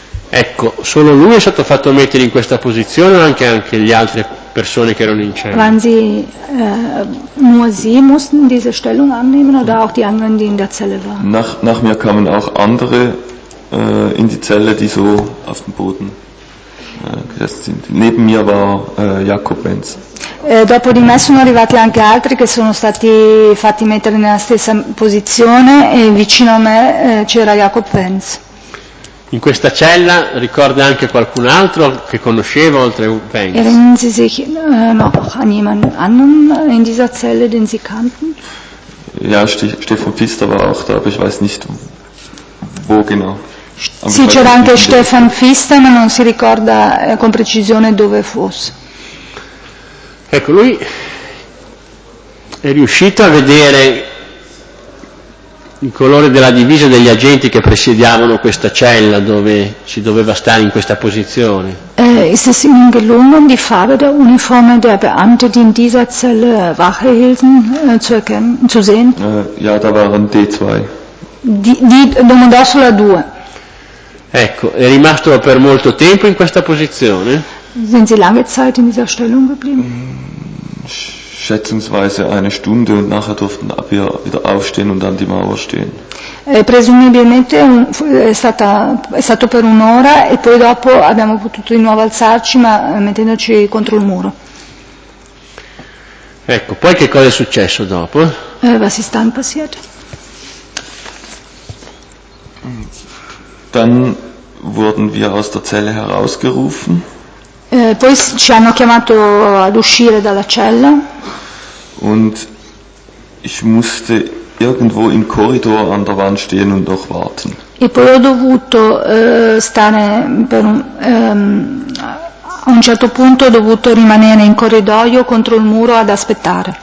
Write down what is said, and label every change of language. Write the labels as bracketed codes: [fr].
[it] Ecco, solo lui è stato fatto mettere in questa posizione o anche gli altri persone che erano in cella? [de] Waren sie nur sie mussten diese Stellung annehmen oder auch die anderen die in der Zelle waren? Nach mir kamen auch andere in die Zelle, die so auf dem Boden gesessen sind. Neben mir war Jakob Benz. [it] Dopo di me sono arrivati anche altri che sono stati fatti mettere nella stessa posizione e vicino a me c'era Jakob Benz. In questa cella ricorda anche qualcun altro che conosceva oltre Benz? [de] Erinnern Sie sich noch an jemand anderen in dieser Zelle, den Sie kannten? Ja, Stefan Pfister war auch da, aber ich weiß nicht wo genau. [it] Sì, c'era anche Stefan Pfister, ma non si ricorda con precisione dove fosse. Ecco, lui è riuscito a vedere il colore della divisa degli agenti che presidiavano questa cella dove si doveva stare in questa posizione. [de] Ist es ihm gelungen, die Farbe der Uniforme der Beamte, die in dieser Zelle Wache hielten, zu erkennen, zu sehen? Ja, da waren D2. [it] Domandò sulla 2. Ecco, è rimasto per molto tempo in questa posizione? [de] Sind Sie lange Zeit in dieser Stellung geblieben? Schätzungsweise eine Stunde und nachher durften wir wieder aufstehen und an die Mauer stehen. [it] Presumibilmente è stato per un'ora e poi dopo abbiamo potuto di nuovo alzarci ma mettendoci contro il muro. Ecco, poi che cosa è successo dopo? [de] Was ist dann passiert? Dann wurden wir aus der Zelle herausgerufen. [it] Poi ci hanno chiamato ad uscire dalla cella. [de] Und ich musste irgendwo im Korridor an der Wand stehen und noch warten. [it] E poi ho dovuto stare per a un certo punto ho dovuto rimanere in corridoio contro il muro ad aspettare.